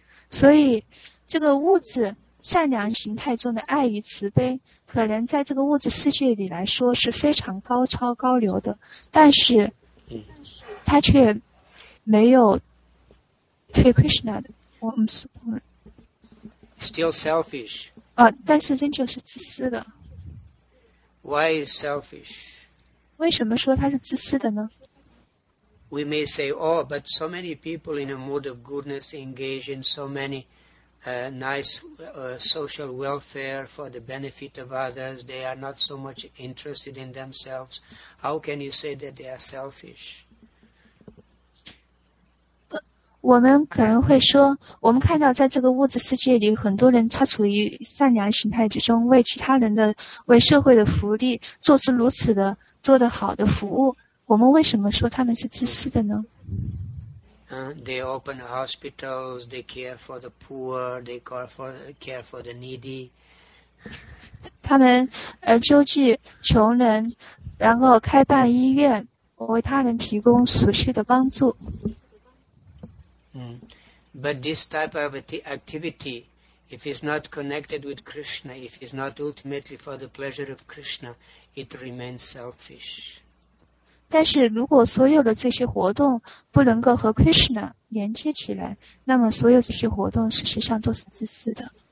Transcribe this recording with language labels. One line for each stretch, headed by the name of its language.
Chinese: 所以这个物质善良形态中的爱与慈悲，可能在这个物质世界里来说是非常高超高流的，但是它却没有对 Krishna 的，我们是不能。
English: Still selfish.
Chinese: 啊，但是真就是自私的。
English: Why is selfish?
Chinese: 为什么说它是自私的呢？
English: We may say, oh, but so many people in a mood of goodness engage in so many. Social welfare for the benefit of others. They are not so much interested in themselves. How can you say that they are selfish?
Chinese: 我们可能会说，我们看到在这个物质世界里，很多人他处于善良形态之中，为其他人的、为社会的福利做出如此的多的好的服务。我们为什么说他们是自私的呢？
English: They open hospitals, they care for the poor, they care for the needy.
Chinese: 他们救济穷人，然后开办医院，为他人提供所需的帮助。
English: But this type of activity, if it's not connected with Krishna, if it's not ultimately for the pleasure of Krishna, it remains selfish.
Chinese: 但是如果所有的这些活动不能够和 Krishna 连接起来，那么所有这些活动事实上都是自私的。